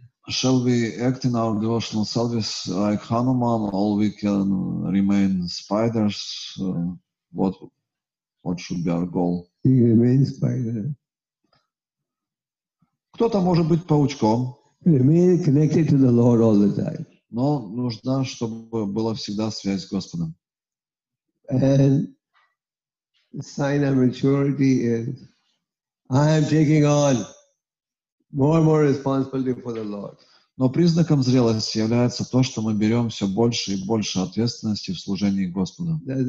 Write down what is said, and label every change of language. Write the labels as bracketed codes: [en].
[en] Shall we act in our devotional service like Hanuman, or we can remain spiders? What should be our goal? You remain spider. [ru] Кто-то может быть паучком. [en] Remain connected to the Lord all the time. [ru] Но нужно, чтобы была всегда связь с Господом. [en] And The sign of maturity is I am taking on more and more responsibility for the Lord. [ru] Но признаком зрелости является то, что мы берем все больше и больше ответственности в служении Господу.